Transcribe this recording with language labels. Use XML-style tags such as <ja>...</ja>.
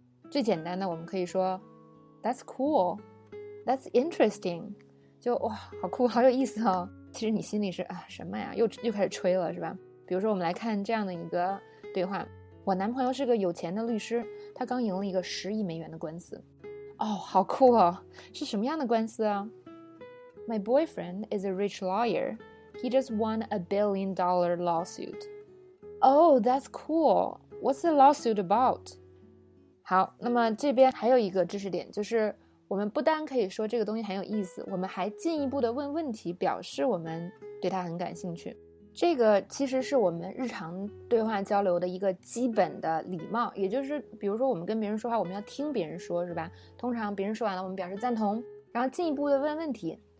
<zh>最简单的我们可以说 That's cool, That's interesting, 就哇好酷好有意思哦。其实你心里是啊什么呀，又开始吹了是吧。比如说我们来看这样的一个对话。我男朋友是个有钱的律师，他刚赢了一个$10亿的官司。哦，好酷哦，是什么样的官司啊？</zh> <en>My boyfriend is a rich lawyer. He just won $1 billion lawsuit. Oh, that's cool. What's the lawsuit about?</en> <zh>好，那么这边还有一个知识点，就是我们不单可以说这个东西很有意思，我们还进一步的问问题，表示我们对他很感兴趣。这个其实是我们日常对话交流的一个基本的礼貌，也就是比如说我们跟别人说话，我们要听别人说是吧，通常别人说完了我们表示赞同，然后进一步的问问题。</zh>